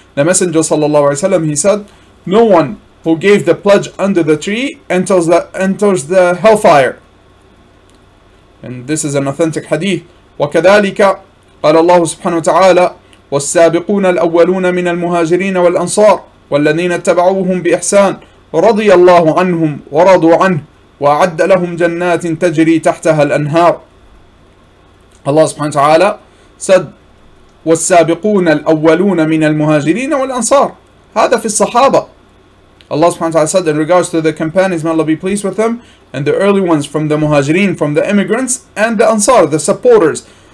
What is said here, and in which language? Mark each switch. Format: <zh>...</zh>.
<en>The messenger صلى الله عليه وسلم he said no one who gave the pledge under the tree enters the hellfire, and this is an authentic hadith.</en> <ar>وكذلك قال الله سبحانه وتعالى والسابقون الأولون من المهاجرين والأنصار والذين اتبعوهم بإحسان رضي الله عنهم ورضوا عنه وأعد لهم جنات تجري تحتها الأنهار. الله سبحانه وتعالى said والسابقون الأولون من المهاجرين والأنصار, هذا في الصحابة.</ar> <en>الله سبحانه وتعالى said in regards to the companions, may Allah be pleased with them, and the early ones from the muhajirin, from the immigrants, and the ansar, the supporters.</en>